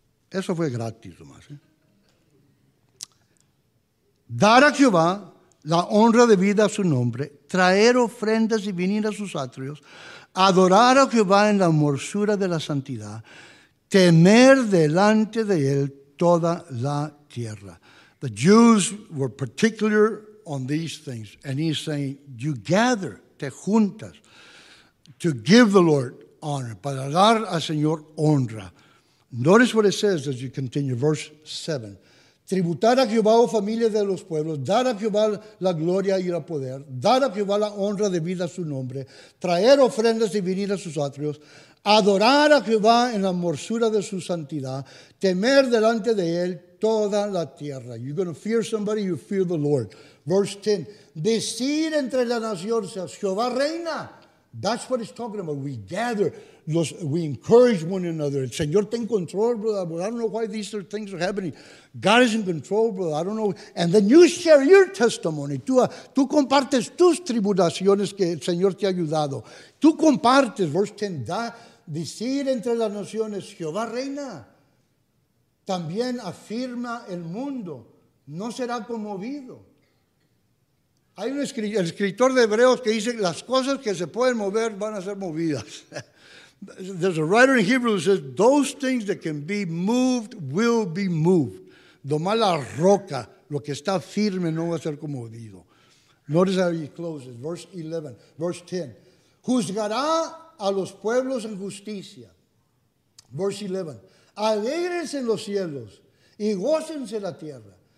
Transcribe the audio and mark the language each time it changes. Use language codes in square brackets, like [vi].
[es] Eso fue gratis, nomás. Dar a Jehová la honra debida a su nombre, traer ofrendas y venir a sus atrios, adorar a Jehová en la hermosura de la santidad, temer delante de él toda la tierra. [en] The Jews were particular on these things, and he's saying, you gather, [es] te juntas, [en] to give the Lord honor, [es] para dar al Señor honra. [en] Notice what it says as you continue, verse 7. [es] Tributar a Jehová, oh familia de los pueblos, dar a Jehová la gloria y el poder, dar a Jehová la honra debida a su nombre, traer ofrendas y venir a sus atrios, adorar a Jehová en la hermosura de su santidad, temer delante de él toda la tierra. [en] You're going to fear somebody, you fear the Lord. [es] Verse 10, decir entre las naciones, Jehová reina. [en] That's what it's talking about. We gather, we encourage one another. [es] Señor, ten control, brother. [en] Well, I don't know why these things are happening. God is in control, brother. I don't know. And then you share your testimony. [es] Tú compartes tus tribulaciones que el Señor te ha ayudado. Tú compartes, verse 10, decir entre las naciones, Jehová reina. También afirma el mundo, no será conmovido. Hay un escritor de Hebreos que dice, las cosas que se pueden mover van a ser movidas. [en] There's a writer in Hebrews who says, those things that can be moved will be moved. [es] Domar la roca, lo que está firme no va a ser conmovido. [en] Notice how he closes, verse 11, verse 10. [es] Juzgará a los pueblos en justicia. [en] Verse 11. [es] Alégrense en los cielos y gócense la tierra.